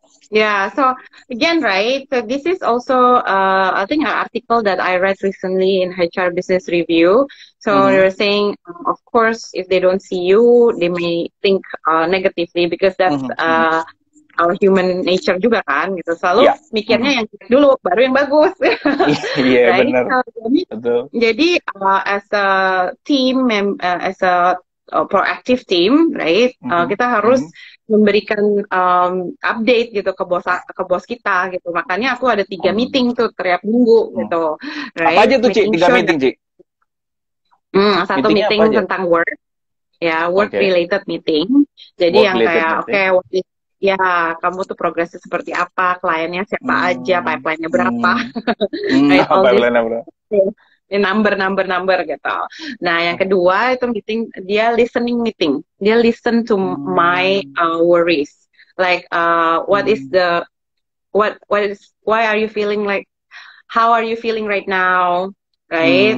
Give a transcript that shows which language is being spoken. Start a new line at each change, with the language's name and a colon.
English: Yeah, so again, right, so this is also, I think, an article that I read recently in HR Business Review. So you're saying, of course, if they don't see you, they may think negatively because that's our human nature
Indonesian: juga kan, gitu. Selalu mikirnya yang dulu, baru yang bagus.
English: Yeah, right?
Indonesian: Benar.
English: So,
Indonesian: jadi,
English: as a team, as a proactive team,
Indonesian: right, kita harus memberikan update gitu ke bos kita gitu. Makanya aku ada 3 meeting tuh tiap minggu gitu. Right? Apa aja tuh, Ci? 3 sure meeting, Ci. Satu meeting tentang work. Ya, work related meeting. Jadi work yang kayak ya, kamu tuh progresnya seperti apa, kliennya siapa aja, pipeline-nya berapa. Number gitu. Nah, yang kedua itu meeting, dia listening meeting. Dia
English: listen to my worries. Like, what is the, what is, why are you feeling like, how are you feeling right now, right?